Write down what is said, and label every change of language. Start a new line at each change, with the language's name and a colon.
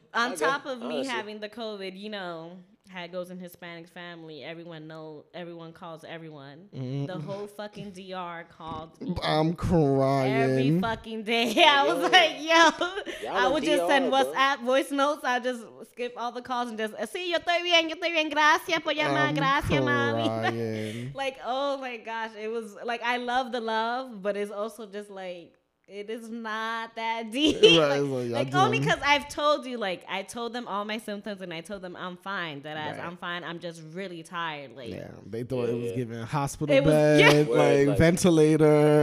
English: On top of me having the COVID, you know, how it goes in Hispanic family. Everyone know. Everyone calls everyone. Mm. The whole fucking DR called. I'm crying. Every fucking day. I was like, yo. I would just send WhatsApp voice notes. I just skip all the calls and just,
Spanish: sí, yo estoy bien, gracias por llamar, gracias, mami.
English: Like, oh my gosh. It was, like, I love the love, but it's also just like, it is not that deep. Only because I've told you, like, I told them all my symptoms and I told them I'm fine. I'm fine. I'm just really tired. Like, yeah, they thought it was giving hospital bed, ventilator.